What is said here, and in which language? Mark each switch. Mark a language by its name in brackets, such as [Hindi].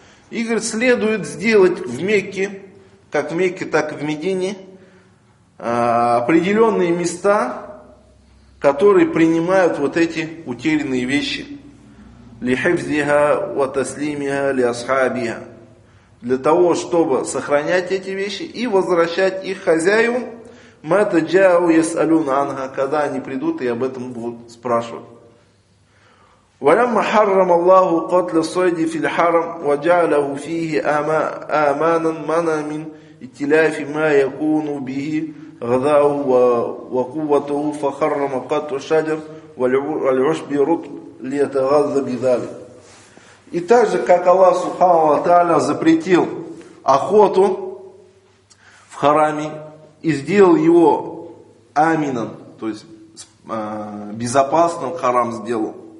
[Russian] И говорит, следует сделать в Мекке, как в Мекке, так и в Медине, определенные места, которые принимают вот эти утерянные вещи. [Arabic] Лихевзиха ва таслимиха ли асхабиха. [Russian] Для того, чтобы сохранять эти вещи и возвращать их хозяевам. Мата джау ясалюн анха. Когда они придут и об этом будут спрашивать. [Arabic] ولما حرم الله قتل الصيد في الحرم وجعله فيه آمانا منع من اتلاف ما يكون به غذاه وقوته فحرم قتل الشجر والعشب رطب ليتغذى بذلك. [Russian] И так же, как Аллах Субхану ва Тааля запретил охоту в храме и сделал его аминан, то есть безопасным храм сделал.